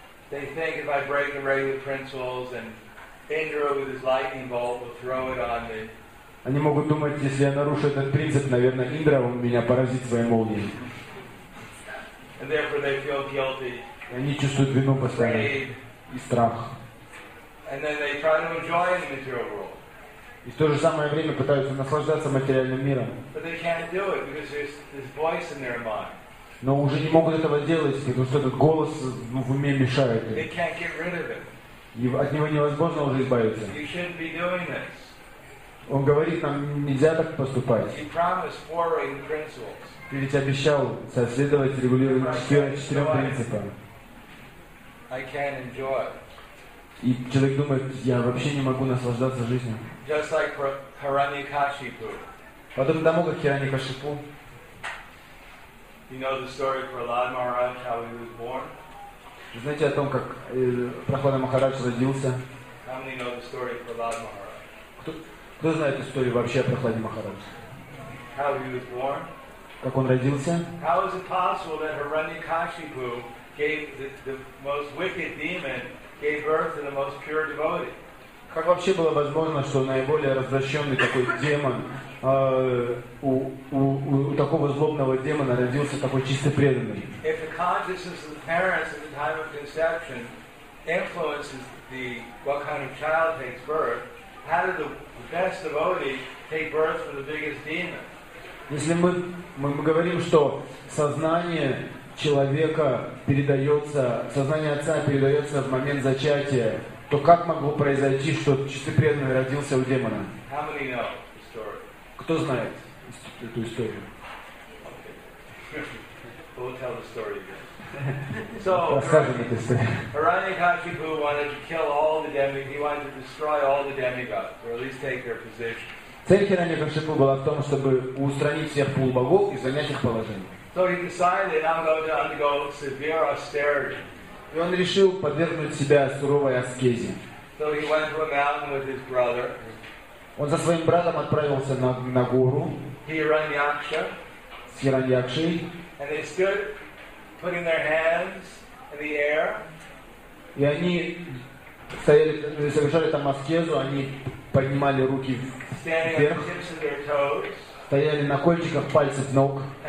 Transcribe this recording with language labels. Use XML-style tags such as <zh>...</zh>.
<en>They think if I break the regular principles and Indra with his lightning bolt will throw it on me.</en> <ru>Они могут думать, если я нарушу этот принцип, наверное, Индра меня поразит своей молнией.</ru> <en>And therefore they feel guilty.</en> <ru>И они чувствуют вину постоянно и страх.</ru> <en>And then they try to enjoy the material world.</en> <ru>И в то же самое время пытаются наслаждаться материальным миром.</ru> <en>But they can't do it because there's this voice in their mind.</en> <ru>Но уже не могут этого делать, потому что этот голос в уме мешает им.</ru> <en>They can't get rid of it.</en> <ru>И от него невозможно уже избавиться.</ru> <en>You shouldn't be doing this.</en> <ru>Он говорит нам, нельзя так поступать.</ru> <en>He promised following principles.</en> <ru>Ты ведь обещал соследовать регулировать четырем принципам.</ru> <en>I can't enjoy it.</en> <ru>И человек думает, я вообще не могу наслаждаться жизнью.</ru> <en>Just like Hiranyakashipu.</en> <ru>Потом тому, как Hiranyakashipu.</ru> <en>You know the story of Prahlad Maharaj, how he was born?</en> <ru>Знаете о том, как Прахлада Махарадж родился?</ru> <en>How many know the story of Prahlad Maharaj?</en> <ru>Кто знает историю вообще о Прахладе Махарадже?</ru> <en>How he was born?</en> <ru>Как он родился?</ru> <en>How is it possible that Hiranyakashipu gave the most wicked demon gave birth to the most pure devotee?</en> <ru>Как вообще было возможно, что наиболее развращенный такой демон, у такого злобного демона родился такой чистый преданный?</ru> <en>If the consciousness of the parents at the time of conception influences the what kind of child takes birth, how did the best devotee take birth from the biggest demon?</en> <ru>Если мы говорим, что сознание человека передается, сознание отца передается в момент зачатия, то как могло произойти, что чистый преданный родился у демона?</ru> <en>How many know the story?</en> <ru>Кто знает эту историю?</ru> <en>Okay. We'll tell the story again. So,</en> <ru>расскажем эту историю.</ru> <en>Hiranyakashipu wanted to kill all the demigods. He wanted to destroy all the demigods, or at least take their position.</en> <ru>Цель хирального шипу была в том, чтобы устранить всех полубогов и занять их положение.</ru> <en>So he decided that I'm going to undergo severe austerity.</en> <ru>И он решил подвергнуть себя суровой аскезе.</ru> <en>So he went to a mountain with his brother.</en> <ru>Он со своим братом отправился на гору.</ru> <en>Hiranyaksha.</en> <ru>С Хираньякшей.</ru> <en>And they stood putting their hands in the air.</en> <ru>И они стояли, совершали там аскезу, они поднимали руки вверх, стояли на кончиках пальцев ног.</ru>